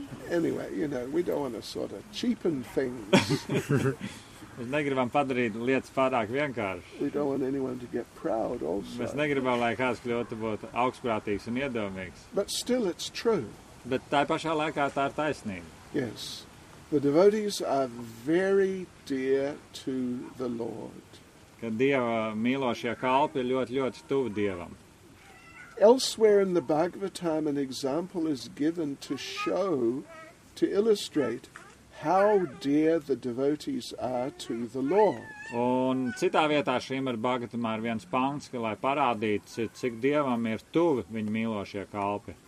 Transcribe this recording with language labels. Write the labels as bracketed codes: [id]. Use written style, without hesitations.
[en] Anyway, you know, we don't want to sort of cheapen things. [lv] Mēs negribam padarīt lietas pārāk vienkāršas. [en] We don't want anyone to get proud also. [lv] Mēs negribam, lai kāds kļūtu būt augstprātīgs un iedomīgs. [en] But still it's true. [lv] Bet tā pašā laikā tā ir taisnība. [en] Yes. The devotees are very dear to the Lord. [lv] Kad Dieva mīlošie kalpi ir ļoti, ļoti tuvi Dievam. [en] Elsewhere in the Bhagavatam an example is given to show, to illustrate, how dear the devotees are to the Lord. [lv] Un citā vietā šīm ir Bhagavatamā ir viens pants, lai parādītu, cik Dievam ir tuvi viņa mīlošie kalpi.